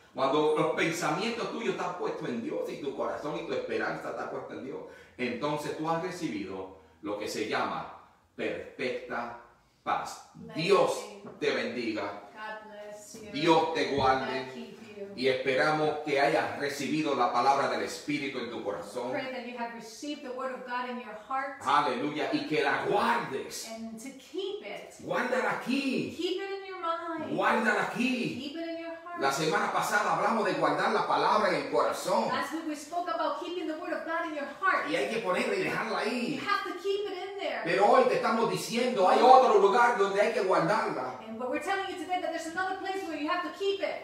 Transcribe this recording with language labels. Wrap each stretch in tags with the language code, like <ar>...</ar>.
<es>Cuando los pensamientos tuyos están puestos en Dios y tu corazón y tu esperanza está puesta en Dios, entonces tú has recibido lo que se llama perfecta paz. Dios te bendiga.</es> <en>God bless you.</en> <es>Dios te guarde.</es> <en>God keep you.</en> <es>y esperamos que hayas recibido la palabra del Espíritu en tu corazón.</es> <en>Pray that you have received the word of God in your heart.</en> <es>Aleluya, y que la guardes.</es> <en>And to keep it.</en> <es>Guárdala aquí.</es> <en>Keep it in your mind.</en> <es>Guárdala aquí.</es> <en>Keep it in your heart.</en> <es>La semana pasada hablamos de guardar la palabra en el corazón.</es> <en>Last week we spoke about keeping the word of God in your heart.</en> <es>Y hay que ponerla y dejarla ahí.</es> <en>You have to keep it in there.</en> <es>Pero hoy te estamos diciendo hay otro lugar donde hay que guardarla.</es> <en>But we're telling you today that there's another place where you have to keep it.</en>